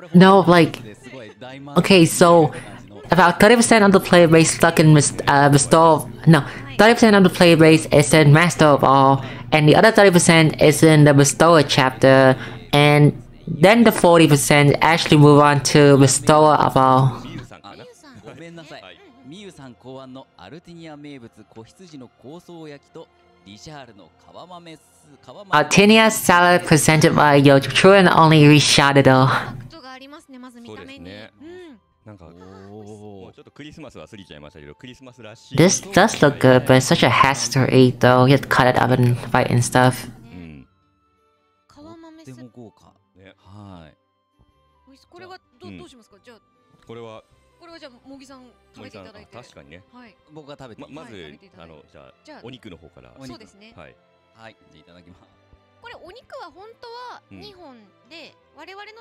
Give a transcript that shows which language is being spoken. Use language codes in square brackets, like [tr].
[en] No, like, okay, so about 30% of the player base stuck in No, 30% of the player base is in Master of All, and the other 30% is in the Bestow chapter, andThen the 40% actually move on to Restore of All. [ja] ごめんなさい。ミユさん考案のアルティニア名物子羊の香草焼きとリシャールの皮豆スープ。 [en] アルティニアサラダ presented by your true and only Richard. [ja] がありますね、まず見た目に。そうですね。うん。なんかもうちょっとクリスマス忘れちゃいましたけど、クリスマスらしい。 [en] This does look good, but it's such a history though. You have to cut it up and fight and stuff. [ja] うん。皮豆スープ。豪華ね。はい。これはどうしますか。じゃあこれはじゃあもぎさん食べていただいて。確かにね。はい。僕が食べて。まずじゃあお肉の方から。そうですね。はい。はい。いただきます。これお肉は本当は2本で、うん、我々の